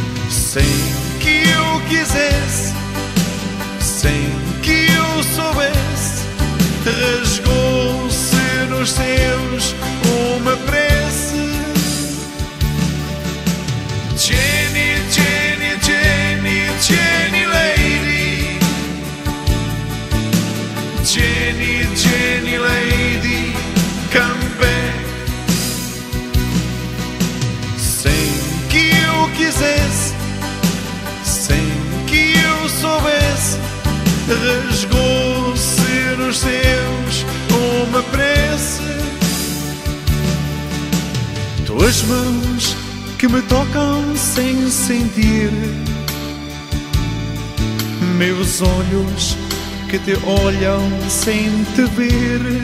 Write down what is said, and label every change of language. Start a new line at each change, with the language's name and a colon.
Portuguese: Sem que eu quisesse, sem que eu soubesse, rasgou-se nos céus uma prece.
English: Jenny, Jenny, Jenny, Jenny Lady, Jenny, Jenny Lady, come back.
Portuguese: Sem que eu quisesse, sem que eu soubesse, rasgou-se nos céus uma prece. Tuas mãos que me tocam sem sentir, meus olhos que te olham sem te ver.